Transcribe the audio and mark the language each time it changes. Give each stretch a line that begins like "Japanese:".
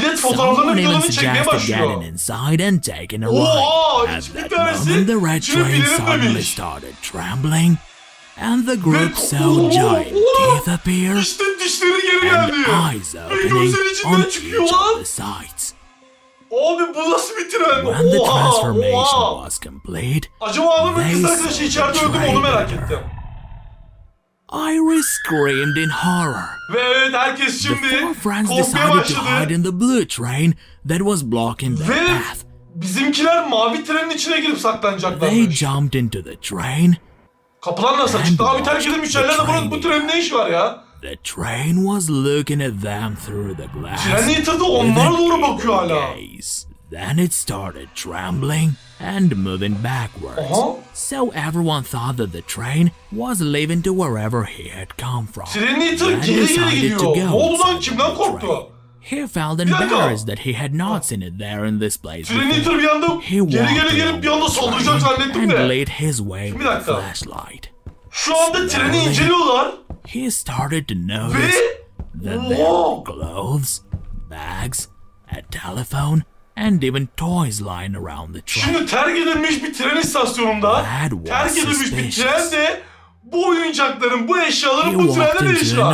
English: Someone even suggested getting inside and taking a ride. At that moment, the red train suddenly started trembling. And the group saw giant teeth appear and eyes opening on each of the sides.
Turkish: Abi, bu nasıl bir tren?
English: When the transformation was complete,
Turkish: acaba adamın kız arkadaşı içeride öldü mü, onu merak ettim.
English: Iris screamed in horror.
Turkish: Ve evet, herkes şimdi korkmaya başladı.
English: The four friends decided to hide in the blue train that was blocking their path.
Turkish: Bizimkiler mavi trenin içine girip saklanacaklar.
English: They jumped into the train.
Turkish: Kapılar nasıl açtı? Abi terk edin içeride, burada bu trenin ne işi var ya?
English: The train was looking at them through the glass.
Turkish: Tren yiyen onlara doğru bakıyor hala.
English: Then it started trembling and moving backwards. Aha. So everyone thought that the train was leaving to wherever he had come from.
Turkish: Tren yiyen geri geri gidiyor. Ne oldu lan, kimden korktu?
English: He felt embarrassed that he had not seen it there in this place.
Turkish: Tren yiyen bir anda geri geri gelip bir anda saldıracak zannettim de.
English: And laid his way with a flashlight.
Turkish: Şu anda treni inceliyorlar.
English: He started to notice that there were clothes, bags, a telephone, and even toys lying around the train.
Turkish: Şimdi terk edilmiş bir tren istasyonunda, terk edilmiş bir trende bu oyuncakların, bu eşyaların bu trende ne işi var?